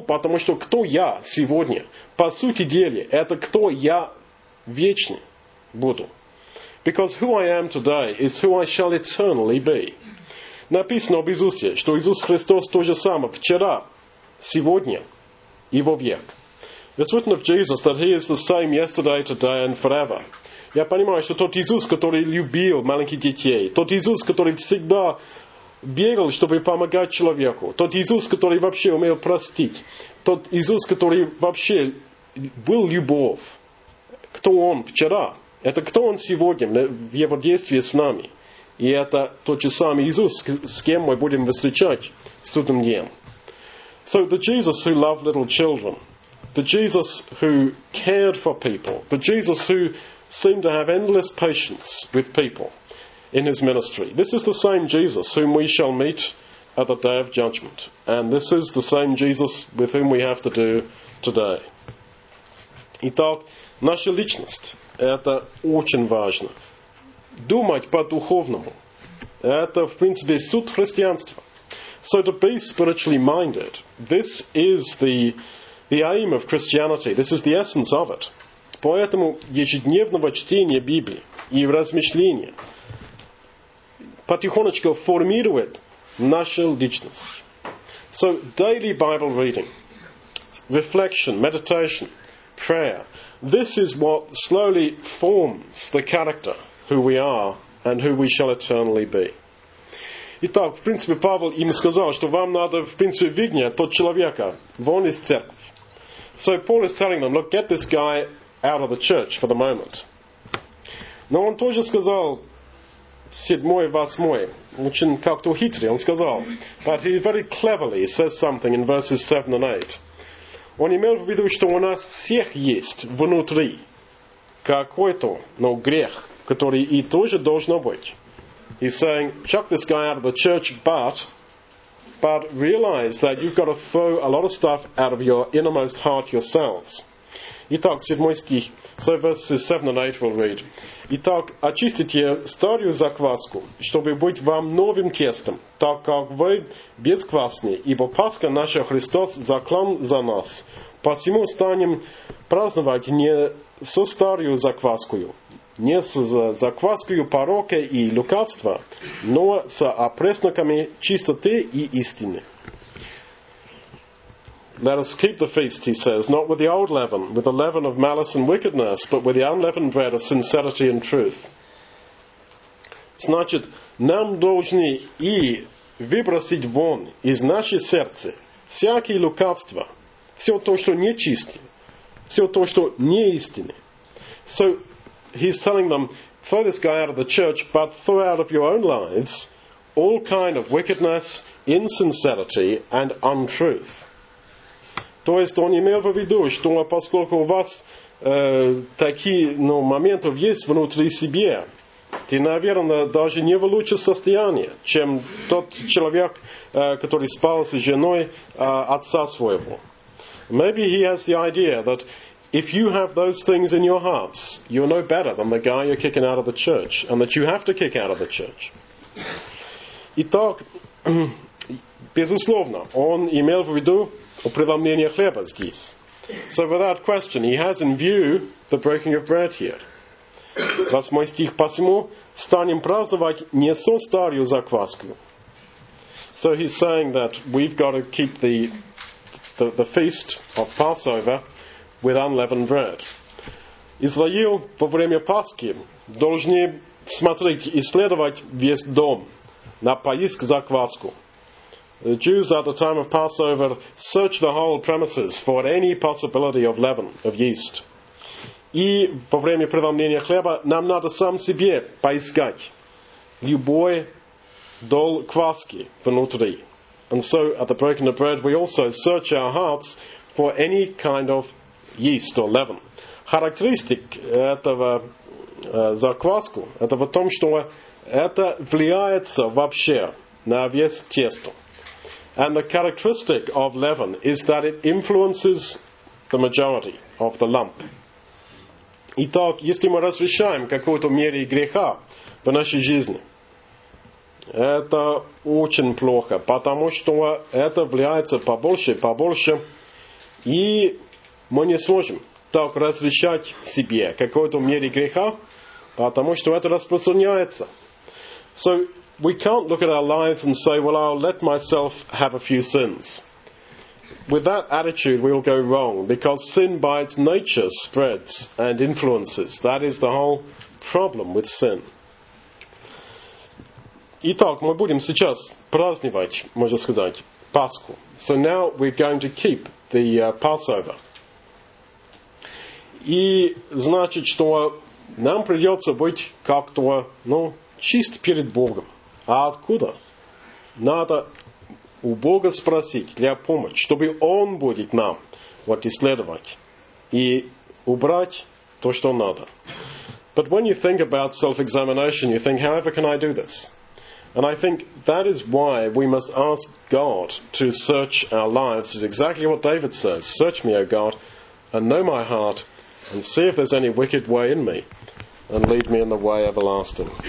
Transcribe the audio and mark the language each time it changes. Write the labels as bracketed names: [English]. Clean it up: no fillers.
[Russian] Потому что кто я сегодня? По сути дела, это кто я вечно буду. [English] Because who I am today is who I shall eternally be. [Russian] Написано об Иисусе, что Иисус Христос то же самое вчера, сегодня и вовек. [English] It's written of Jesus that he is the same yesterday, today and forever. [Russian] Я понимаю, что тот Иисус, который любил маленьких детей, тот Иисус, который всегда бегал, чтобы помогать человеку, тот Иисус, который вообще умел простить, тот Иисус, который вообще был любовь, кто он вчера, это кто он сегодня в его действии с нами. И это тот же самый Иисус, с кем мы будем встречать в судном дне. [English] So the Jesus who loved little children, the Jesus who cared for people, the Jesus who seemed to have endless patience with people in his ministry. This is the same Jesus whom we shall meet at the day of judgment. And this is the same Jesus with whom we have to do today. [Russian] Итак, наша личность – это очень важно. Думать по-духовному – это, в принципе, суть христианства. [English] So to be spiritually minded, this is the aim of Christianity. This is the essence of it. [Russian] Поэтому ежедневного чтения Библии и размышления потихонечку формирует нашу личность. [English] So daily Bible reading, reflection, meditation, prayer. This is what slowly forms the character who we are and who we shall eternally be. [Russian] Итак, в принципе, Павел им сказал, что вам надо, в принципе, выгнать тот человека вон из церкви. [English] So Paul is telling them, look, get this guy out of the church for the moment. [Russian] Но он тоже сказал, 7-8, очень как-то хитрый, он сказал, [English] but he very cleverly says something in verses 7 and 8. [Russian] Он имел в виду, что у нас всех есть внутри какой-то, но грех, который и тоже должно быть. [English] He's saying, chuck this guy out of the church, but realize that you've got to throw a lot of stuff out of your innermost heart yourselves. [Russian] Итак, 7 стих. [English] So verses 7 and 8 we'll read. [Russian] Итак, очистите старую закваску, чтобы быть вам новым тестом, так как вы безквасны, ибо Пасха наша Христос заклан за нас. Посему станем праздновать не со старую закваскую, не с закваской порока и лукавства, но с опресноками чистоты и истины. [English] Let us keep the feast, he says, not with the old leaven, with the leaven of malice and wickedness, but with the unleavened bread of sincerity and truth. [Russian] Значит, нам должны и выбросить вон из наше сердце всякие лукавства, все то, что нечисто, все то, что не истинно. [English] So, he's telling them, throw this guy out of the church, but throw out of your own lives all kind of wickedness, insincerity, and untruth. [Russian] То есть он имел в виду, что поскольку у вас такие моменты есть внутри себя, ты, наверное, даже не в лучшем состоянии, чем тот человек, который спал с женой отца своего. [English] Maybe he has the idea that if you have those things in your hearts, you're no better than the guy you're kicking out of the church, and that you have to kick out of the church. [Russian] Итак, безусловно, он имел в виду преломление хлеба здесь. [English] So without question, he has in view the breaking of bread here. [Russian] Восьмой стих, посему станем праздновать не со старую закваску. [English] So he's saying that we've got to keep the feast of Passover with unleavened bread. [Russian] Израил во время Пасхи должны смотреть, исследовать весь дом на поиск закваску. [English] The Jews at the time of Passover searched the whole premises for any possibility of leaven, of yeast. [Russian] и во время преломления хлеба нам надо сам себе поискать любой дол кваски внутри. [English] And so at the breaking of bread we also search our hearts for any kind of yeast or leaven. [Russian] Характеристик этого закваску это в том, что это влияется вообще на весь тесто. [English] And the characteristic of leaven is that it influences the majority of the lump. [Russian] Итак, если мы разрешаем какую-то меру греха в нашей жизни, это очень плохо, потому что это влияется побольше и побольше, и мы не сможем так развещать себе какой-то мере греха, потому что это распространяется. [English] So we can't look at our lives and say, well, I'll let myself have a few sins. With that attitude, we'll go wrong, because sin by its nature spreads and influences. That is the whole problem with sin. [Russian] Итак, мы будем сейчас праздновать, можно сказать, Пасху. [English] So now we're going to keep the Passover. [Russian] И значит, что нам придется быть как-то, ну, чист перед Богом. А откуда? Надо у Бога спросить для помощи, чтобы Он будет нам вот исследовать и убрать то, что надо. [English] But when you think about self-examination, you think, however can I do this? And I think that is why we must ask God to search our lives. It's exactly what David says. Search me, O God, and know my heart, and see if there's any wicked way in me, and lead me in the way everlasting.